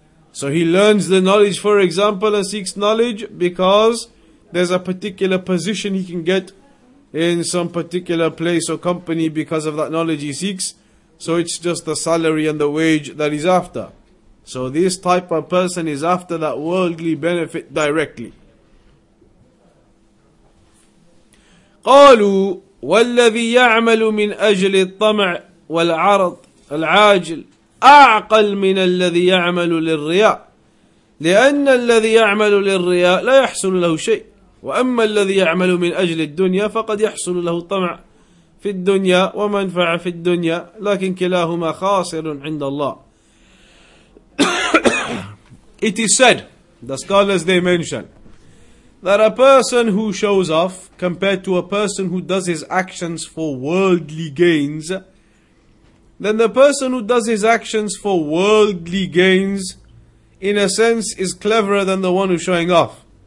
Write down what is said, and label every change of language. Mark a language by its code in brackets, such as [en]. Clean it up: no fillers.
[en] So he learns the knowledge, for example, and seeks knowledge because there's a particular position he can get in some particular place or company because of that knowledge he seeks. So it's just the salary and the wage that he's after. So this type of person is after that worldly benefit directly. [ar] قَالُوا وَالَّذِي يَعْمَلُ مِنْ أَجْلِ الطَّمَعِ وَالْعَرَضِ الْعَاجِلِ أعقل من الذي يعمل للرياء لأن الذي يعمل للرياء لا يحصل له شيء وأما الذي يعمل من أجل الدنيا فقد يحصل له طمع في الدنيا ومنفع في الدنيا لكن كلاهما خاسر عند الله. [en] It is said, the scholars they mention, that a person who shows off compared to a person who does his actions for worldly gains, then the person who does his actions for worldly gains, in a sense, is cleverer than the one who's showing off.